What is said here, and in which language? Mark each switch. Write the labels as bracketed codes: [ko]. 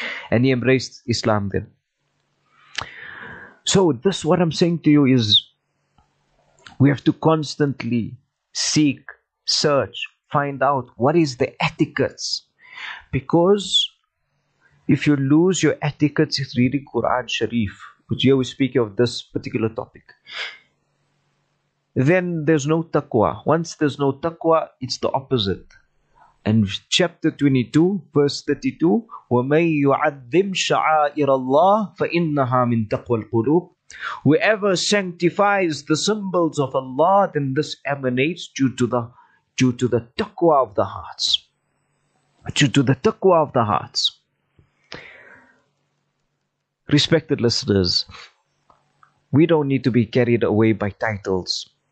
[en] And he embraced Islam then. So this, what I'm saying to you is, we have to constantly seek, search, find out what is the etiquettes. Because if you lose your etiquettes in reading Quran Sharif, which here we speak of this particular topic, then there's no taqwa. Once there's no taqwa, it's the opposite. And chapter 22, verse 32, [ar] وَمَنْ يُعَذِّمْ شَعَائِرَ اللَّهِ فَإِنَّهَا مِنْ تَقْوَى الْقُلُوبِ. [en] Whoever sanctifies the symbols of Allah, then this emanates due to the taqwa of the hearts. Due to the taqwa of the hearts. Respected listeners, we don't need to be carried away by titles.